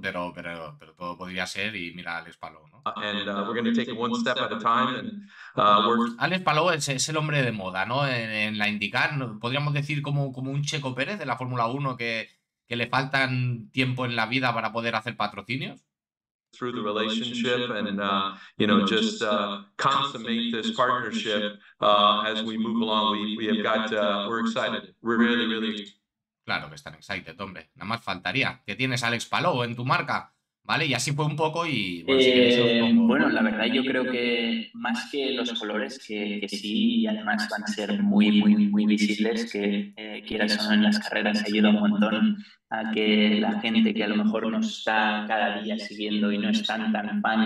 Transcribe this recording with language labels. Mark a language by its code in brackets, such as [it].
[es] Pero todo podría ser, y mira Alex Palou, ¿no? [en] We're going to take it one step at a time. [es] Alex Palou es el hombre de moda, ¿no? En la IndyCar, podríamos decir como un Checo Pérez de la Fórmula 1 que le faltan tiempo en la vida para poder hacer patrocinios. [en] Through the relationship and just consummate this partnership as we move along. We have got we're excited. We're really, really excited. [es] Claro que están excited, hombre. Nada más faltaría que tienes a Alex Palou en tu marca, ¿vale? Y así fue un poco y... Bueno, la verdad yo creo que más que los colores, que sí, y además van a ser muy, muy, muy visibles, que quieras o no, en las carreras ayuda un montón a que la gente que a lo mejor nos está cada día siguiendo y no es tan fan